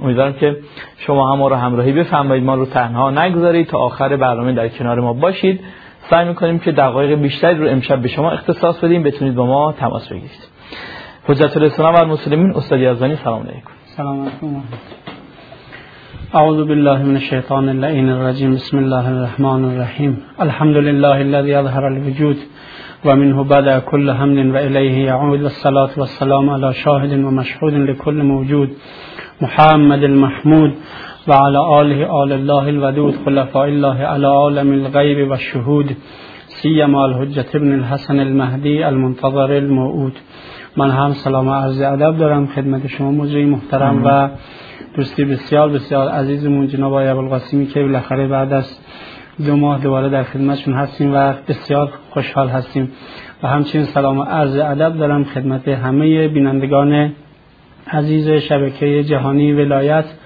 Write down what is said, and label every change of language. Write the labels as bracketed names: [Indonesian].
[Persian] امیدوارم که شما هم ما رو همراهی بفرمایید، ما رو تنها نگذارید، تا آخر برنامه در کنار ما باشید. سعی میکنیم که دقایق بیشتری رو امشب به شما اختصاص بدیم، بتونید با ما تماس بگیرید. حجت الاسلام و المسلمین استاد یزدانی سلام علیکم. [Arabic] أعوذ بالله من الشيطان اللعين الرجيم. بسم الله الرحمن الرحيم. الحمد لله الذي أظهر الوجود ومنه بدأ كل حمد وإليه يعود، الصلاة والسلام على شاهد ومشهود لكل موجود محمد المحمود وعلى آله آل الله الودود خلفاء الله على عالم الغيب والشهود سيما الحجة ابن الحسن المهدي المنتظر الموعود. [Persian] من هم سلام و عرض ادب دارم خدمت شما مجری محترم و دوستی بسیار بسیار عزیزمون جناب آقای ابوالقاسمی، که بالاخره بعد از دو ماه دوباره در خدمتشون هستیم و بسیار خوشحال هستیم، و همچنین سلام و عرض ادب دارم خدمت همه بینندگان عزیز شبکه جهانی ولایت.